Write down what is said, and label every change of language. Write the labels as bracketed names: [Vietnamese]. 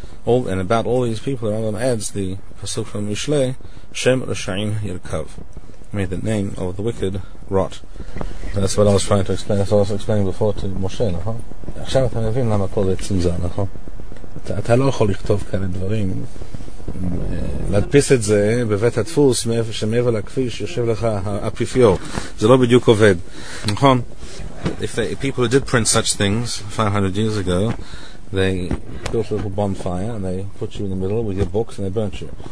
[English] About all these people, the Rambam adds the Pasuk from Mishle, Shem Rasha'im Yirkav. May the name of the wicked rot. That's what I was trying to explain. That's what I was explaining before to Moshe, no? [Hebrew] עכשיו אתה מבין למה כל זה צנזר, no? אתה לא יכול לכתוב כאלה דברים, להדפיס את זה בבית הדפוס שמעבר לכביש יושב לך האפיפיור. זה לא בדיוק עובד. נכון? [English] If people did print such things 500 years ago, they built a little bonfire and they put you in the middle with your books and they burnt you.